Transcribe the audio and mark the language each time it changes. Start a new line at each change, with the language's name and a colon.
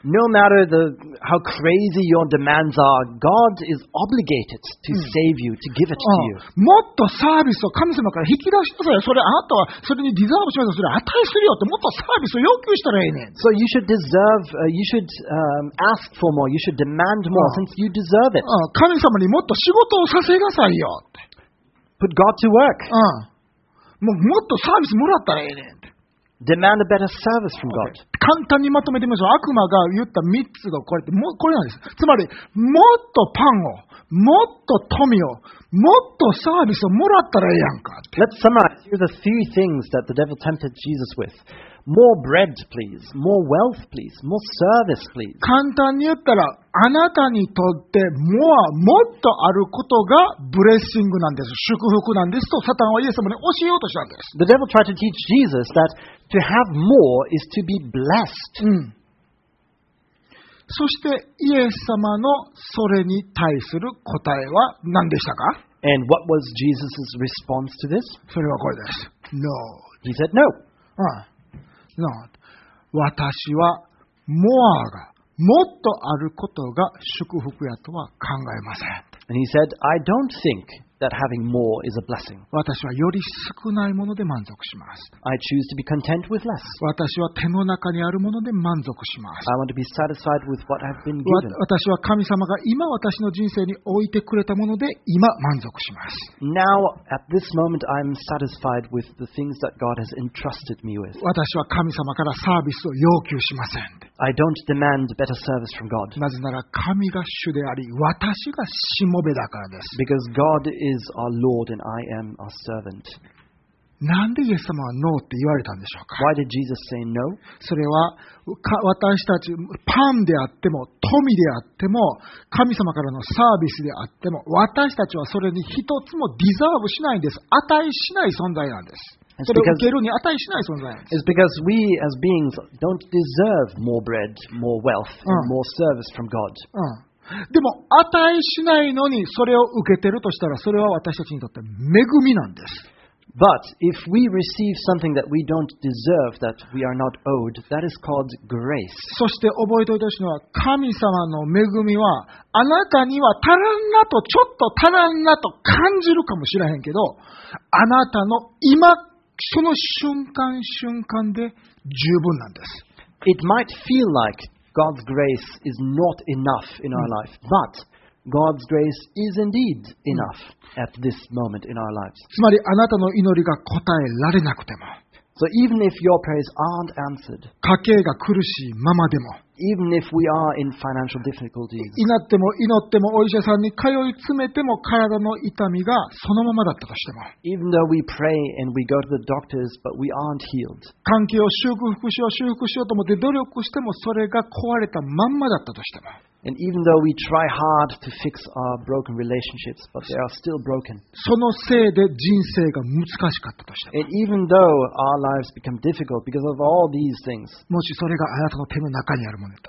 English: No matter how crazy your demands are, God is obligated to save you, to give it to you.
Japanese: もっとサービスを神様から引き出してください。それあなたはそれにディザーブしますよ、それ値するよって、もっとサービスを要求したらええねん。
English: So you should deserve, you should ask for more, you should demandand more since you deserve it.
Japanese: 神様にもっと仕事をさせなさいよ。
English: Put God to work.
Japanese: もっとサービスもらったらええねん。
English: Demand a better service from God.
Japanese: 簡単にまとめてみましょう。悪魔が言った3つがこれって、これなんです。つまり、もっとパンを、もっと富を、もっとサービスをもらったらええやんか。
English: Let's summarize. Here are the three things that the devil tempted Jesus with. More bread, please. More wealth, please. More service, please.
Japanese: 簡単に言ったら、あなたにとって more、もっとあることがブレッシングなんです。祝福なんですと、サタンはイエス様に教えようとしたんです。
English: The devil tried to teach Jesus that to have more is to be blessed.
Japanese: そしてイエス様のそれに対する答えは何でしたか?
English: And what was Jesus' response to this?
Japanese: それはこれです。No.
English: He said no. No.
Japanese: 私はモアがもっとあることが祝福やとは考えません。
English: And he said, I don't think that having more is a blessing.
Japanese: 私はより少ないもので満足します。
English: I choose to be content with less.
Japanese: 私は手の中にあるもので満足します。
English: I want to be satisfied with what I've been given.
Japanese: 私は神様が今私の人生に置いてくれたもので今満足します。
English: Now, at this moment, I'm satisfied with the things that God has entrusted me with.
Japanese: 私は神様からサービスを要求しません。
English: I don't demand better service from God.
Japanese: なぜなら神が主であり、私がしもべだからです。
English: Because God is our Lord and I am our servant.
Japanese: なんでイエス様はノーって言われたんでしょうか?
English: Why did Jesus say no?
Japanese: それは私たちパンであっても富であっても神様からのサービスであっても私たちはそれに一つもディザーブしないんです。値しない存在なんです。
English: It's because we as beings don't deserve more bread, more wealth, and more service from God.
Japanese: でも値しないのにそれを受けてるとしたら、それは私たちにとって恵みなんです。
English: But if we receive something that we don't deserve, that we are not owed, that is called grace.
Japanese: そして覚えておいてほしいのは、神様の恵みはあなたには足らんなと、ちょっと足らんなと感じるかもしれへんけど、あなたの今その瞬間瞬間で十分なんです。
English: It might feel like God's grace is not enough in our life, but God's grace is indeed enough at this moment in our lives.
Japanese: つまりあなたの祈りが答えられなくても、
English: So even if your prayers aren't answered,
Japanese: 家計が苦しいままでも、
English: Even if we are in financial difficulties,
Japanese: 祈っても祈ってもお医者さんに通い詰めても体の痛みがそのままだったとしても、
English: Even though we pray and we go to the doctors but we aren't healed,
Japanese: 関係を修復しようと思って努力してもそれが壊れたまんまだったとしても、
English: And even though we try hard to fix our broken relationships but they are still broken,
Japanese: そのせいで人生が難しかったとしても、
English: And even though our lives become difficult because of all these things,
Japanese: もしそれがあなたの手の中にある